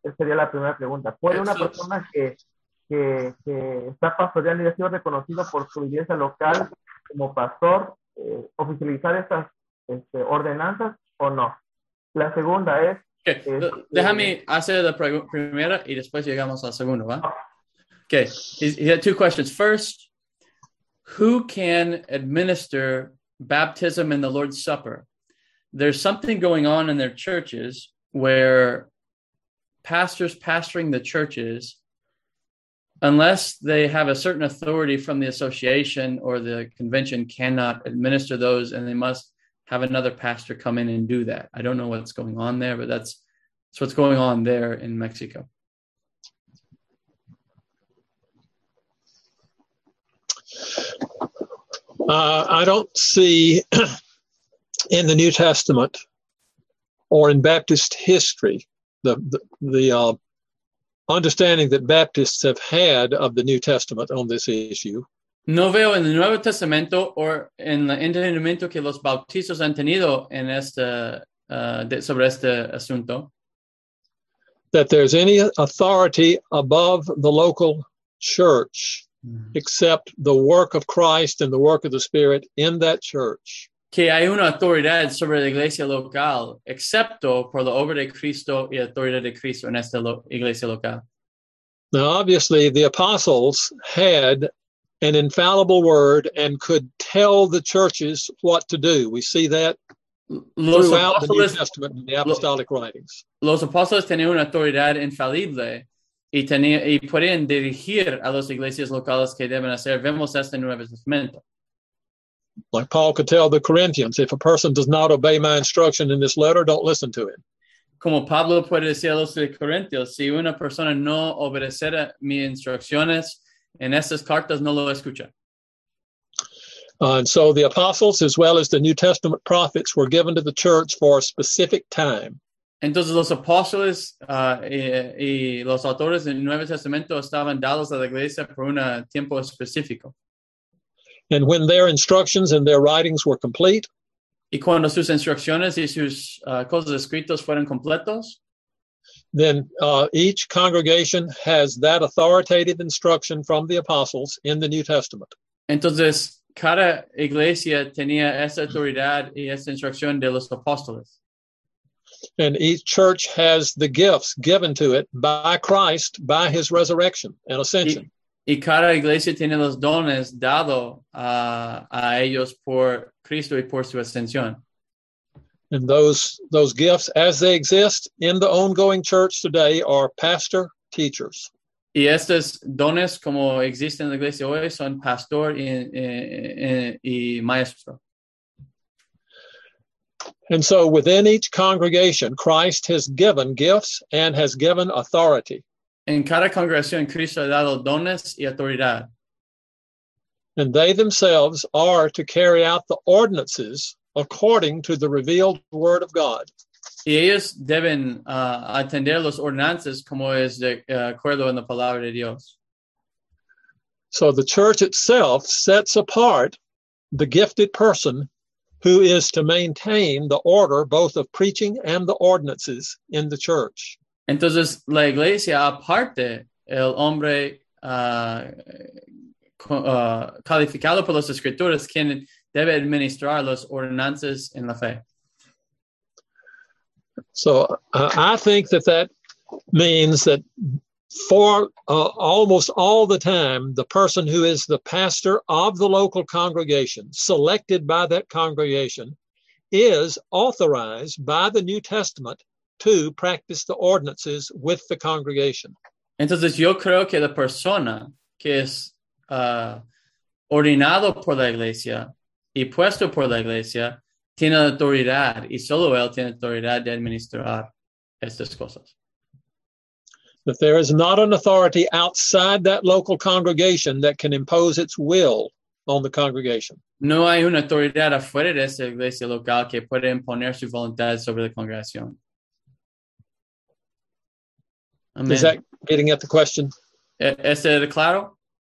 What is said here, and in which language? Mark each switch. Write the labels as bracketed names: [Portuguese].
[Spanish] Esa sería la primera pregunta. ¿Puede una persona que está pastoreando y ha sido reconocido por su iglesia local como pastor, oficializar estas ordenanzas o no? La segunda es... Okay. Déjame hacer la primera y después llegamos a la segunda, ¿va? [English] Okay, he had two questions. First, who can administer baptism in the Lord's Supper? There's something going on in their churches where pastors pastoring the churches, unless they have a certain authority from the association or the convention, cannot administer those, and they must have another pastor come in and do that. I don't know what's going on there, but that's what's going on there in Mexico. I don't see in the New Testament or in Baptist history the understanding that Baptists have had of the New Testament on this issue. [Spanish] No veo en el Nuevo Testamento o en el entendimiento que los bautistas han tenido en este, sobre este asunto. [English] That there's any authority above the local church except the work of Christ and the work of the Spirit in that church. [Spanish] Que hay una autoridad sobre la iglesia local excepto por la obra de Cristo y autoridad de Cristo en esta iglesia local. [English] Now, obviously, the apostles had an infallible word and could tell the churches what to do. We see that throughout the New Testament in the apostolic writings. [Spanish] Los apóstoles tenían una autoridad infalible y podían dirigir a las iglesias locales que deben hacer. Vemos esto en el Nuevo Testamento. [English] Like Paul could tell the Corinthians, if a person does not obey my instruction in this letter, don't listen to him. [Spanish] Como Pablo puede decir a los Corintios, si una persona no obedecerá mis instrucciones, en estas cartas no lo escucha. [English] And so the apostles, as well as the New Testament prophets, were given to the church for a specific time. [Spanish] Entonces los apóstoles y los autores del Nuevo Testamento estaban dados a la iglesia por un tiempo específico. [English] And when their instructions and their writings were complete, [Spanish] y cuando sus instrucciones y sus cosas escritas fueron completos, [English] then each congregation has that authoritative instruction from the apostles in the New Testament. [Spanish] Entonces, cada iglesia tenía esa autoridad y esa instrucción de los apóstoles. [English] And each church has the gifts given to it by Christ, by his resurrection and ascension. [Spanish] Y cada iglesia tiene los dones dado a ellos por Cristo y por su ascensión. [English] And those gifts, as they exist in the ongoing church today, are pastor, teachers. [Spanish] Y estos dones, como existen en la iglesia hoy, son pastor y maestro. [English] And so within each congregation, Christ has given gifts and has given authority. [Spanish] En cada congregación, Cristo ha dado dones y autoridad. [English] And they themselves are to carry out the ordinances according to the revealed word of God. [Spanish] Y ellos deben atender las ordenanzas como es de acuerdo en la palabra de Dios. [English] So the church itself sets apart the gifted person who is to maintain the order both of preaching and the ordinances in the church. [Spanish] Entonces la iglesia aparte el hombre calificado por las escrituras quien debe administrar las ordenanzas en la fe. [English] So I think that that means that for almost all the time, the person who is the pastor of the local congregation, selected by that congregation, is authorized by the New Testament to practice the ordinances with the congregation. [Spanish] Entonces yo creo que la persona que es ordenado por la iglesia y puesto por la iglesia tiene autoridad, y solo él tiene autoridad de administrar estas cosas. [English] But there is not an authority outside that local congregation that can impose its will on the congregation. [Spanish] No hay una autoridad afuera de esa iglesia local que puede imponer su voluntad sobre la congregación. [English] Amen. Is that getting at the question? [Spanish] ¿Está claro?